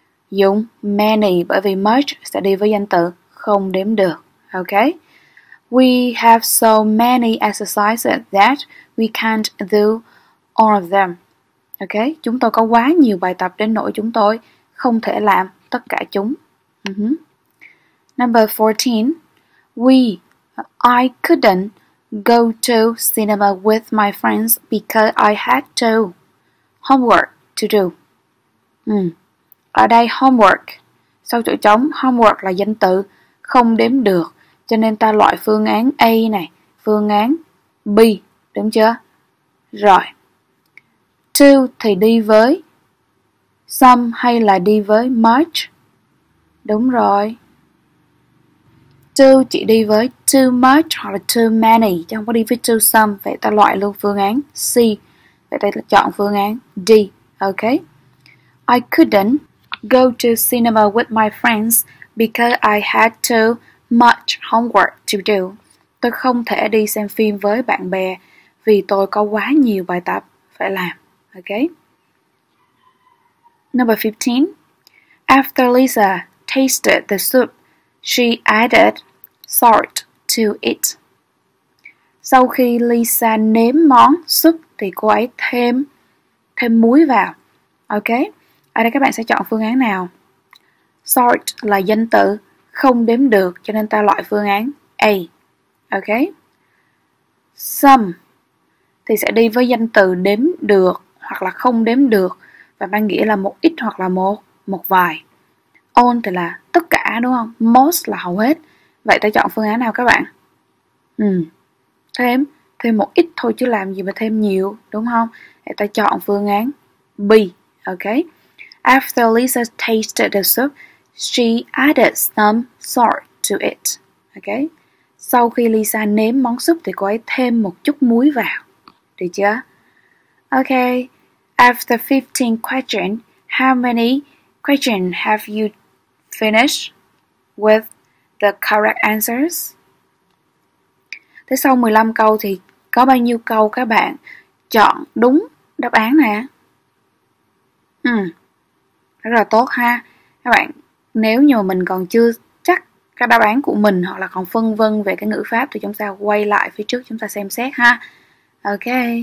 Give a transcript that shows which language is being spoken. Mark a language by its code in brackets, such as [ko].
[vi] Dùng many bởi vì much sẽ đi với danh từ không đếm được. Ok. [en] We have so many exercises that we can't do all of them. Ok. [vi] Chúng tôi có quá nhiều bài tập đến nỗi chúng tôi không thể làm tất cả chúng. [en] Number 14. I couldn't go to cinema with my friends because I had to homework to do. [vi] Ở đây homework, sau chỗ trống, homework là danh từ không đếm được. Cho nên ta loại phương án A này, phương án B, đúng chưa? Rồi, to thì đi với some hay là đi với much? Đúng rồi, to chỉ đi với too much hoặc là too many, chứ không có đi với too some. Vậy ta loại luôn phương án C. Vậy ta chọn phương án D, ok? [en] I couldn't go to cinema with my friends because I had too much homework to do. [vi] Tôi không thể đi xem phim với bạn bè vì tôi có quá nhiều bài tập phải làm, ok? [en] Number 15. After Lisa tasted the soup, she added salt to it. [vi] Sau khi Lisa nếm món súp thì cô ấy thêm muối vào. Ok, ở đây các bạn sẽ chọn phương án nào? Salt là danh từ không đếm được, cho nên ta loại phương án A. Ok, some thì sẽ đi với danh từ đếm được hoặc là không đếm được, và mang nghĩa là một ít hoặc là một vài. All thì là tất cả đúng không? Most là hầu hết. Vậy ta chọn phương án nào các bạn? Thêm một ít thôi chứ làm gì mà thêm nhiều đúng không? Vậy ta chọn phương án B. [en] Ok. After Lisa tasted the soup, she added some salt to it. Ok. [vi] Sau khi Lisa nếm món súp thì cô ấy thêm một chút muối vào. Được chưa? Ok. [en] After 15 questions, how many questions have you finished with the correct answers? [vi] Thế sau 15 câu thì có bao nhiêu câu các bạn chọn đúng đáp án nè? Rất là tốt ha. Các bạn, nếu như mình còn chưa chắc các đáp án của mình hoặc là còn phân vân về cái ngữ pháp thì chúng ta quay lại phía trước chúng ta xem xét ha. Ok.